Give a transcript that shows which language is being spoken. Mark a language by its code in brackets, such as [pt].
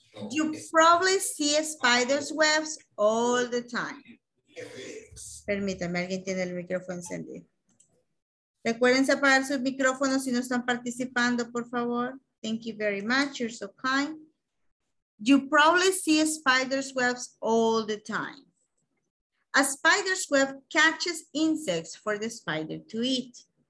[en] You probably see spider's webs all the time. [es] Permítanme, alguien tiene el micrófono encendido. Recuérdense apagar sus micrófonos si no están participando, por favor. [en] Thank you very much. You're so kind. You probably see spider's webs all the time. A spider's web catches insects for the spider to eat.